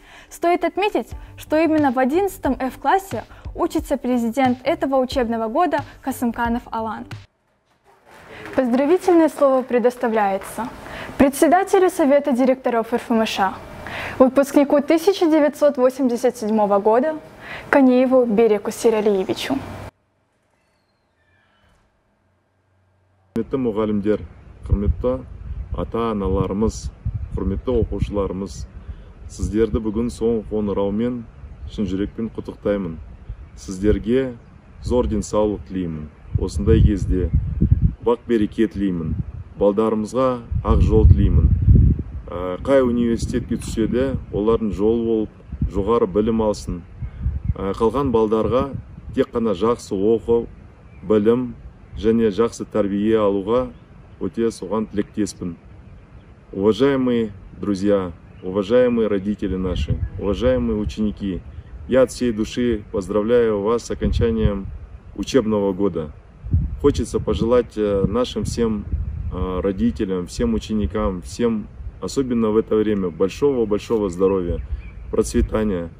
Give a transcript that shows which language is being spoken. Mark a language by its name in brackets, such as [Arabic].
[Russian] Стоит отметить, что именно в 11-м F-классе учится президент этого учебного года Касымканов Алан. Поздравительное слово предоставляется председателю Совета директоров РФМШ, выпускнику 1987 года Канееву Береку Сиралиевичу. [Kazakh] Құрметті мұғалімдер, құрметті ата-аналарымыз, құрметті оқушыларымыз, сіздерді бүгін соңғы қоңыраумен шын жүрекпен құттықтаймын. Сіздерге зор денсаулық тілеймін. Осындай кезде бақ-береке тілеймін. Балдарымызға ақ жол тілеймін. Қай университетке түссе де, олардың жол болып, жоғары білім алсын. Қалған балдарға тек қана жақсы оқу, білім және жақсы тәрбие алуға өте соған тілектеспін. [Russian] Уважаемые друзья, уважаемые родители наши, уважаемые ученики, я от всей души поздравляю вас с окончанием учебного года. Хочется пожелать нашим всем родителям, всем ученикам, всем, особенно в это время, большого-большого здоровья, процветания.